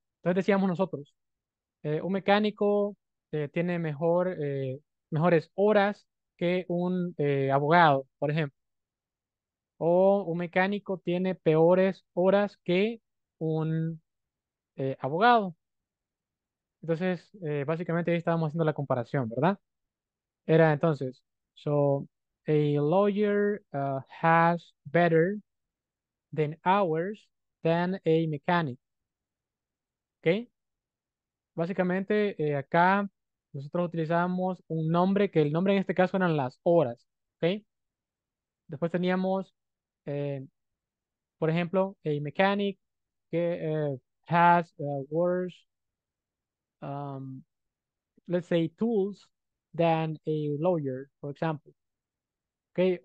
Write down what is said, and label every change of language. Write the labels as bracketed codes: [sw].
[es] Entonces decíamos nosotros, un mecánico tiene mejores horas que un abogado, por ejemplo. O un mecánico tiene peores horas que un abogado. Entonces, básicamente ahí estábamos haciendo la comparación, ¿verdad? Era entonces, [en] so a lawyer has better than hours than a mechanic. ¿Ok? [es] Básicamente, acá nosotros utilizábamos un nombre, que el nombre en este caso eran las horas. [en] ¿Ok? [es] Después teníamos, por ejemplo, [en] a mechanic que has worse, let's say, tools than a lawyer, for example. ¿Ok?